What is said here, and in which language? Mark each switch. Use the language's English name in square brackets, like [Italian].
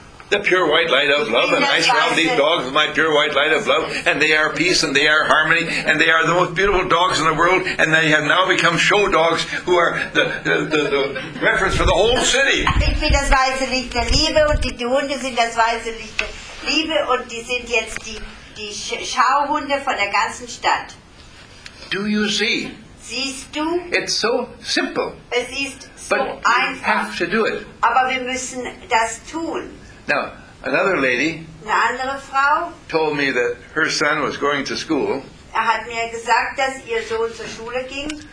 [English] The pure white light of love, and I surround these dogs with my pure white light of love, and they are peace, and they are harmony, and they are the most beautiful dogs in the world, and they have now become show dogs, who are the reference for the whole city. [German] Ich bin das weiße Licht der Liebe, und die Hunde sind das weiße Licht der Liebe, und die sind jetzt die Schauhunde von der ganzen Stadt. [English] Do you see? [German] Siehst du? [English] It's so simple. [German] Es ist so [English] but [German] einfach. [English] But we have to do it. [German] Aber wir müssen das tun. [English] Now, another lady [German] eine andere Frau [English] told me that her son was going to school. [German] Er hat mir gesagt, dass ihr Sohn zur Schule ging.